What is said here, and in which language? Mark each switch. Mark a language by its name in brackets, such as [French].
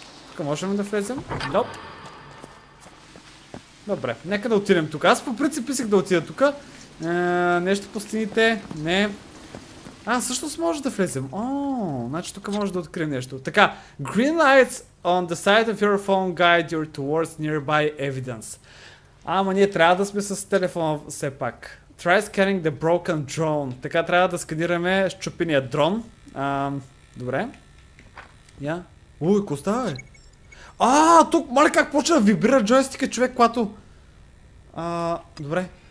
[Bulgarian] Тук можем да влезем? Доп. Добре, нека да отидем тук. Аз по принцип писах да отида тук. Нещо по стените. Не. Всъщност може да влезем. Значи тук може да открием нещо. Така, [English] green lights on the side of your phone guide you towards nearby evidence. [Bulgarian] Ама ние трябва да сме с телефона все пак. [English] Try scanning the broken drone. [Bulgarian] Така трябва да сканираме счупения дрон. Добре. Уй, какво става, бе? Тук, мали как почва да вибрира джойстика, човек, когато... добре.